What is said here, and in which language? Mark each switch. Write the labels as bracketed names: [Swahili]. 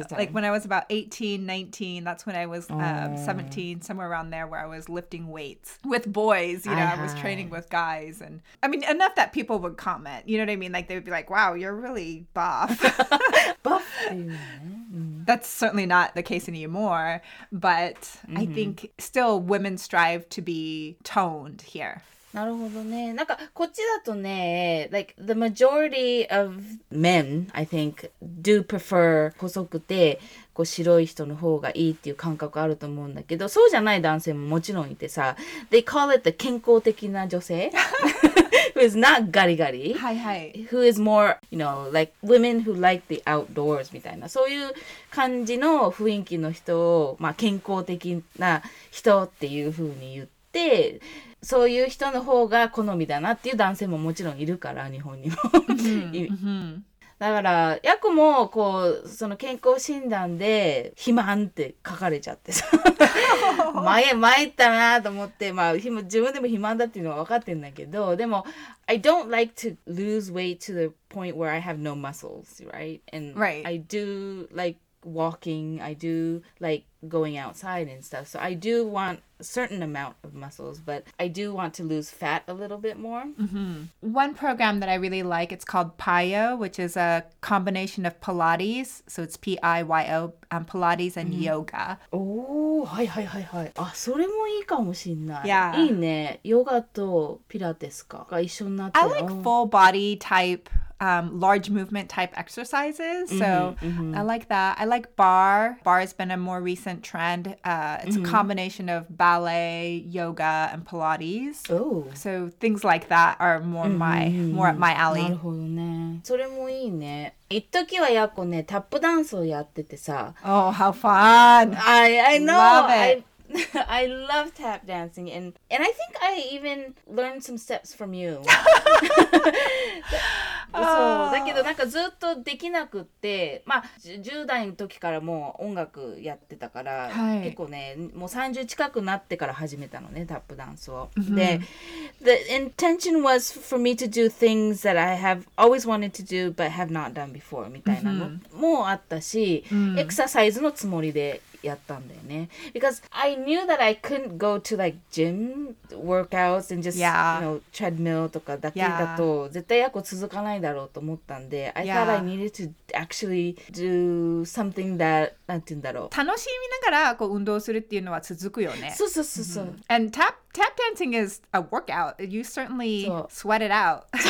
[English] when I was about 18, 19, that's when I was 17, somewhere around there, where I was lifting weights with boys, you know, I was training with guys, and I mean, enough that people would comment, you know what I mean? Like, they would be like, wow, you're really buff. Buff? That's certainly not the case anymore, but I think still women strive to be toned here. [Japanese] なるほどね。なんかこっちだとね、 [English] like the majority of men, I think, do prefer [Japanese] 細くてこう白い人の方がいいっていう感覚あると思うんだけど、そうじゃない男性ももちろんいてさ、 [English] they call it the [Japanese] 健康的な女性 [English] who is not [Japanese] ガリガリ、はいはい、 [English] who is more, you know, like women who like the outdoors [Japanese] みたいな、そういう感じの雰囲気の人を、まあ健康的な人っていう風に言って。そういう人の方が好みだなっていう男性ももちろんいるから、日本にも、だからヤコもこうその健康診断で肥満って書かれちゃってさ、参ったなと思って、まあ自分でも肥満だっていうのは分かってんだけど、でも [English] I don't like to lose weight to the point where I have no muscles, right? And right. I do like walking, I do like going outside and stuff, so I do wantcertain amount of muscles, but I do want to lose fat a little bit more. One program that I really like, it's called PIO, which is a combination of Pilates, so it's P-I-Y-O, Pilates and yoga. [Japanese] Oh, はいはいはいはい。あ、それもいいかもしんない。 [English] Yeah. [Japanese] いいね。ヨガとピラティスかが一緒になって。 [English] I like full body type, large movement type exercises, so I like that. I like bar. Bar has been a more recent trend. It's a combination ofballet, yoga, and Pilates. Oh. So things like that are more my, more at my alley. [Japanese] なるほどね。それもいいね。一時はやっこね、タップダンスをやっててさ。 [English] Oh, how fun! I know! Love it! I love tap dancing, and I think I even learned some steps from you. [Japanese] そう、だけどなんかずっとできなくって、まあ、10代の時からもう音楽やってたから、はい、結構ね、もう30近くなってから始めたのね、タップダンスを。 [English] で、The intention was for me to do things that I have always wanted to do but have not done before, [Japanese] みたいなのもあったし、エクササイズのつもりでやったんだよね。 [English] Because I knew that I couldn't go to like gym workouts and just, you know, treadmill [Japanese] とかだけだと絶対やっこ続かないだろうと思ったんで、 [English] I thought I needed to actually do something that, [Japanese] なんて言うんだろう。楽しみながらこう運動するっていうのは続くよね。そうそうそうそう。 [English] And tap dancing is a workout. You certainly sweat it out.